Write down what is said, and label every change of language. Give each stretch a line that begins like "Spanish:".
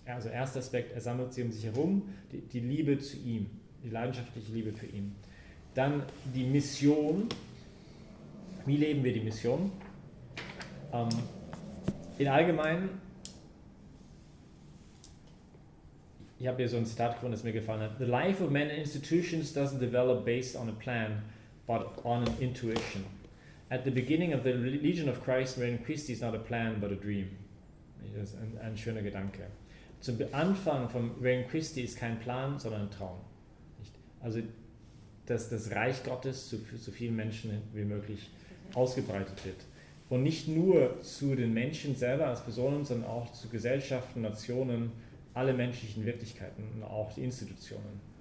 German: Also erster Aspekt, er sammelt sie um sich herum, die Liebe zu ihm, die leidenschaftliche Liebe für ihn. Dann die Mission, wie leben wir die Mission? In allgemeinen, ich habe hier so ein Zitat gefunden, das mir gefallen hat.
English: The life of men and institutions doesn't develop based on a plan, but on an intuition. At the beginning of the religion of Christ, Regnum Christi is not a plan, but a dream.
German: Das ist ein schöner Gedanke. Zum Anfang von Regnum Christi ist kein Plan, sondern ein Traum. Also, dass das Reich Gottes zu so vielen Menschen wie möglich ausgebreitet wird. Und nicht nur zu den Menschen selber als Personen, sondern auch zu Gesellschaften, Nationen, alle menschlichen Wirklichkeiten und auch die Institutionen.